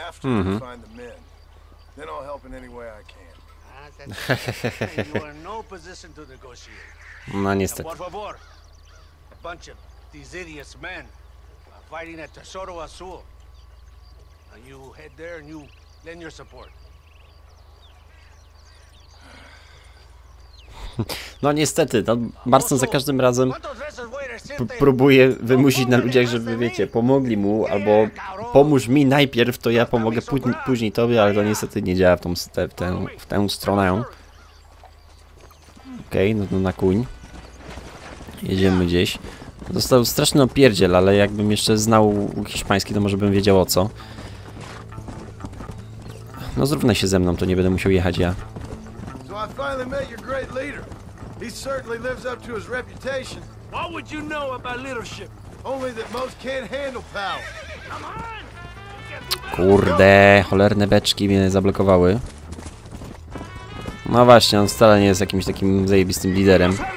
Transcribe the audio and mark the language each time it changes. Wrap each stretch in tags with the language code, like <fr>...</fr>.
<en>After you find the men, then I'll help in any way I can. You are in no position to negotiate.</en> <pl>No, niestety.</pl> <es>Por favor,</es> <en>a bunch of these idiots men are fighting at Tesoro Azul. You head there and you lend your support.</en> <pl>No niestety, no, Marston za każdym razem próbuje wymusić na ludziach, żeby wiecie, pomogli mu, albo pomóż mi najpierw, to ja pomogę później tobie, ale to niestety nie działa w tę stronę. Okej, okay, no na kuń. Jedziemy gdzieś. Został straszny opierdziel, ale jakbym jeszcze znał hiszpański, to może bym wiedział o co. No zrównaj się ze mną, to nie będę musiał jechać ja.</pl> <en>So I finally met your great leader. He certainly lives up to his reputation. What would you know about leadership? Only that most can't handle power. Come on!</en> <pl>Kurde, cholerne beczki mnie zablokowały. No właśnie, on wcale nie jest jakimś takim zajebistym liderem.</pl>